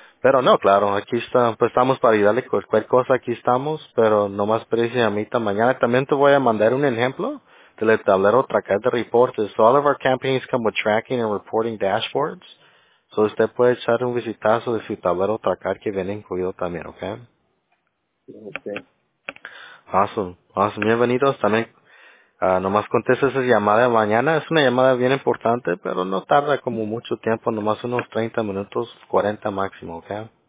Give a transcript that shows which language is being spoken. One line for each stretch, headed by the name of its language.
Spanish: Pero no, claro, aquí está, pues estamos para ayudarle cualquier cosa, aquí estamos, pero nomás precio a mí mañana. También te voy a mandar un ejemplo del tablero tracker de reportes.
English: So all of our campaigns come with tracking and reporting dashboards.
Spanish: So usted puede echar un visitazo de su tablero tracker que viene incluido también, ¿ok? Ok.
English: Awesome.
Spanish: Bienvenidos también. Nomás contesta esa llamada mañana. Es una llamada bien importante, pero no tarda como mucho tiempo, nomás unos 30 minutos, 40 máximo, ¿ok?